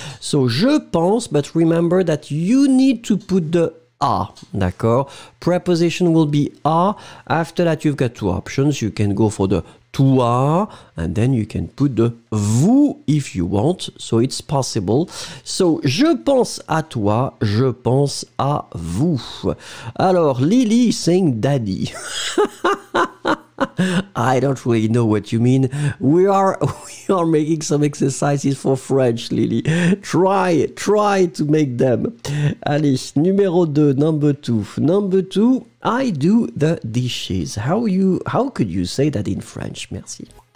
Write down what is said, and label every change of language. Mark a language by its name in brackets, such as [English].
[English] So, je pense, but remember that you need to put the a, d'accord? Preposition will be a. After that, you've got two options. You can go for the toi, and then you can put the vous if you want, so it's possible. [French] So, je pense à toi, je pense à vous. [English] Alors, Lily is saying daddy. I don't really know what you mean. We are making some exercises for French, Lily. Try to make them. [French] Allez, numéro 2, [English] number 2. Number 2, I do the dishes. How could you say that in French? Merci.